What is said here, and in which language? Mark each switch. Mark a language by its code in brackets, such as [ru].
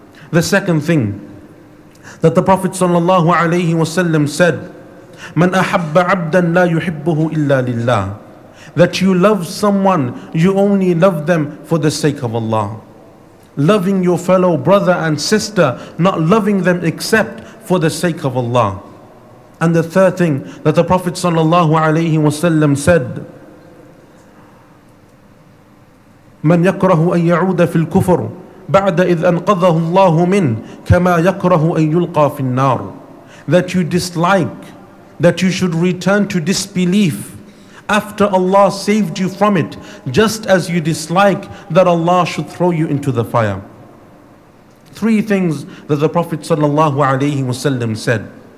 [en] The second thing that the Prophet sallallahu alayhi wasallam said, [ar] مَنْ أَحَبَّ عَبْدًا لَا يُحِبُّهُ إِلَّا لِلَّهِ. [en] That you love someone, you only love them for the sake of Allah. Loving your fellow brother and sister, not loving them except for the sake of Allah. And the third thing that the Prophet sallallahu alayhi wasallam said, [ar] مَنْ يَكْرَهُ أَنْ يَعُودَ فِي الْكُفْرُ بَعْدَ إِذْ أَنْقَذَهُ اللَّهُ مِنْ كَمَا يَكْرَهُ أَنْ يُلْقَى فِي النَّارُ. [en] That you dislike that you should return to disbelief after Allah saved you from it, just as you dislike that Allah should throw you into the fire. Three things that the Prophet sallallahu alayhi wasallam said.